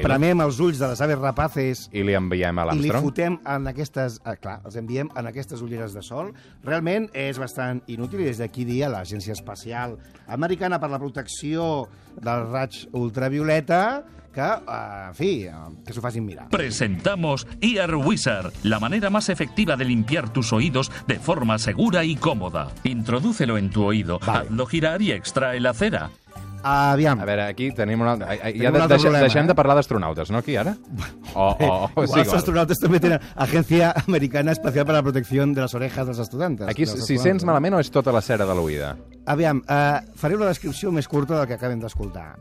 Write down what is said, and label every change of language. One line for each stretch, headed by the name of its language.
Catalan: Exprimem els ulls de les aves rapaces... I li enviem a l'Armstrong? I li fotem en aquestes... clar, els enviem en aquestes ulleres de sol. Realment és bastant inútil, i des d'aquí dia l'Agència Espacial Americana per la Protecció del Raig Ultravioleta... que, en fi, que s'ho facin mirar.
Spanish: Presentamos Ear Wizard, la manera más efectiva de limpiar tus oídos de forma segura y cómoda. Introdúcelo en tu oído, hazlo girar y extrae la cera.
Catalan: Aviam. A veure, aquí tenim un altre... Deixem de parlar d'astronautes, no, aquí, ara? Igual, els astronautes també tenen Agència Americana Especial per la Protecció de les Orejas dels Estudiants. Aquí, si sents malament, o és tota la cera de l'oïda? Aviam, faré una descripció més curta del que acabem d'escoltar.